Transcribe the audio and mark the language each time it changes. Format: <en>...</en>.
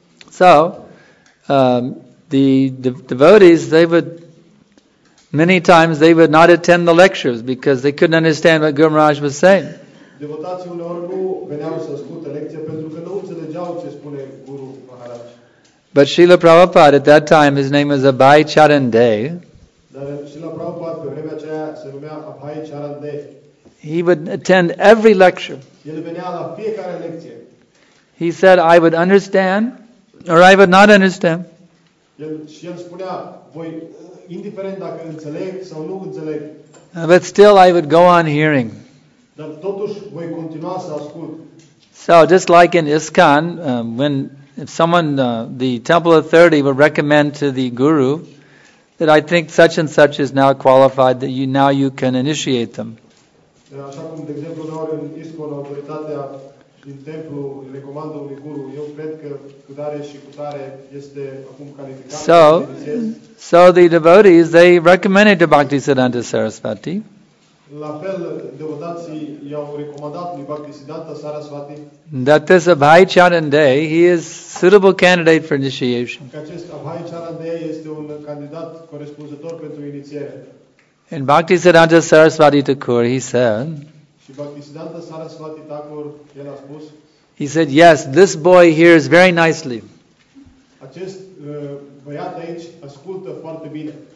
<en>So, the devotees, many times they would not attend the lectures because they couldn't understand what Guru Maharaj was saying.</en> <ro>Devotații uneori nu veneau să asculte lecția pentru că nu înțelegeau ce spune Guru Maharaj.</ro> <en>But Srila Prabhupada, at that time, his name was Abhay Charan Day.</en> <ro>Dar Srila Prabhupada, pe vremea aceea, se numea Abhay Charan Day.</ro> <en>He would attend every lecture.</en> <ro>El venea la fiecare lecție.</ro> <en>He said, I would understand or I would not understand.</en> <ro>El spunea, voi, indiferent dacă înțeleg sau nu înțeleg.</ro> <en>But still I would go on hearing.</en> <ro>Dar totuși voi continua să ascult.</ro> <en>So just like in ISKCON, when someone, the temple authority would recommend to the guru that I think such and such is now qualified, that you can initiate them.</en> <ro>Așa cum, de exemplu, uneori în ISKCON, autoritatea din templu recomandă unui guru, eu cred că cu dare și cu tare este acum calificat.</ro> <en>So the devotees, they recommended to Bhaktisiddhanta Sarasvati.</en> <ro>La fel, devotații i-au recomandat lui Bhakti Siddhanta Sarasvati</ro> <en>that this Abhay Charan Day, he is suitable candidate for initiation.</en> <ro>Că acest Abhay Charan Day este un candidat corespunzător pentru inițiere.</ro> <en>And Bhakti Siddhanta Sarasvati Thakur, he said,</en> <ro>și Bhakti Siddhanta Sarasvati Thakur, el a spus,</ro> <en>he said, yes, this boy hears very nicely.</en> <ro>Acest băiat aici ascultă foarte bine.</ro>